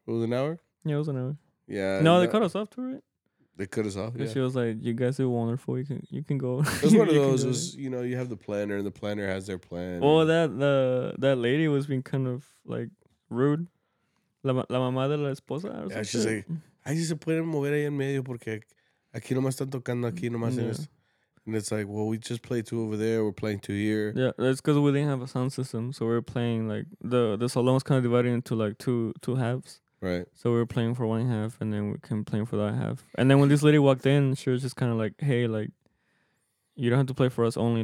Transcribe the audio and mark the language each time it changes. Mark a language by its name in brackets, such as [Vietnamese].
[English] It was an hour? Yeah, it was an hour. Yeah. No, they cut us off too, right? They cut us off, yeah. She was like, you guys are wonderful. You can go. It was one of those. Was, you know, you have the planner, and the planner has their plan. Well, that lady was being kind of, like, rude. [Spanish] La mamá de la esposa? [English] Yeah, something. She's like... [Spanish] Ahí sí se pueden mover ahí en medio porque aquí nomás están tocando aquí nomás. [English] Yeah. And it's like, well, we just play two over there. We're playing two here. Yeah, that's because we didn't have a sound system. So we were playing like the salon was kind of divided into like two halves. Right. So we were playing for one half and then we can play for that half. And then when this lady walked in, she was just kind of like, hey, like, you don't have to play for us only.